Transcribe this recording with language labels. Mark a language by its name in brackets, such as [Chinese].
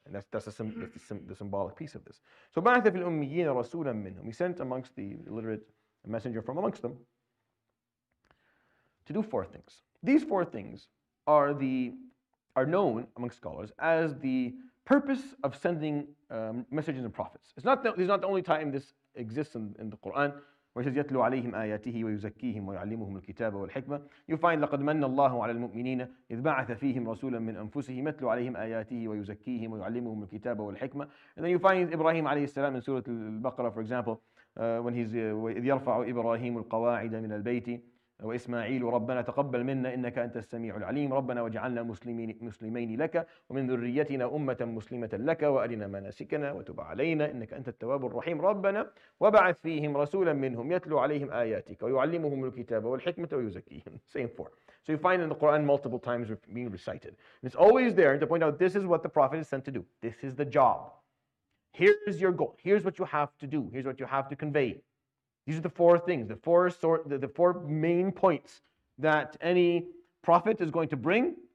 [English] And that's the symbolic piece of this. So [Arabic] ba'atha fil ummiyina rasulan minhum. [English] We sent amongst the illiterate a messenger from amongst them. To do four things. These four things are known among scholars as the purpose of sending messengers and prophets. This is not the only time this exists in the Quran, where it says, [Arabic] يَتْلُوا عَلَيْهِمْ آيَاتِهِ وَيُزَكِّيهِمْ وَيُعَلِّمُهُمُ الْكِتَابَ وَالْحِكْمَةِ يُفَيْنَ لَقَدْ مَنَّ اللَّهُ عَلَى الْمُؤْمِنِينَ إِذْ بَعَثَ فِيهِمْ رَسُولًا مِنْ أَنفُسِهِمْ يَتْلُوا عَلَيْهِمْ آيَاتِهِ وَيُزَكِّيهِمْ وَيُعَلِّمُهُمُ الْكِتَابَ وَالْحِكْمَةَ. [English] And then you find Ibrahim عليه السلام in Surah Al-Baqarah, for example, when he's [Arabic] إِذْ يَرْفَعُ إِبْرَاهِيمُ الْقَوَاعِدَ مِنَ الْبَيْتِ وإسماعيل وربنا تقبل منا إنك أنت السميع العليم ربنا وجعلنا مسلمين لك ومن ذريتنا أمة مسلمة لك وأرنا مناسكنا وتب علينا إنك أنت التواب الرحيم ربنا وبعث فيهم رسولا منهم يتلو عليهم آياتك ويعلمهم الكتاب والحكمة ويزكيهم. [English] Same four. So you find in the Quran multiple times being recited. And it's always there to point out this is what the Prophet is sent to do. This is the job. Here's your goal. Here's what you have to do. Here's what you have to convey. These are the four things, the four main points that any prophet is going to bring.